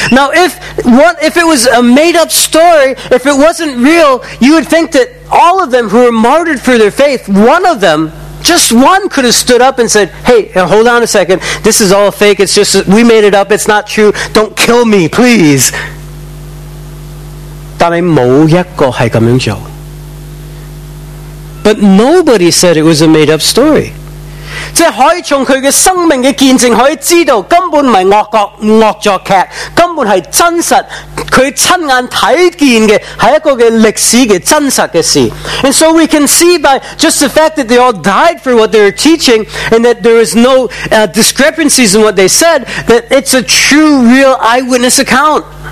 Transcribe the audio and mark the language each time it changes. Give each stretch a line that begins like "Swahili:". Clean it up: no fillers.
English: Now, if it was a made-up story, if it wasn't real, you would think that all of them who were martyred for their faith, one of them, just one could have stood up and said, Hey, hold on a second, this is all fake, it's just, we made it up, it's not true, don't kill me, please.
Chinese: 但是没一个是这样做。
English: But nobody said it was a made-up story.
Chinese: 即可以从他的生命的见证可以知道根本不是恶作剧根本是真实他亲眼看见的是一个历史的真实的事。
English: And so we can see by just the fact that they all died for what they were teaching and that there is no discrepancies in what they said that it's a true, real eyewitness account.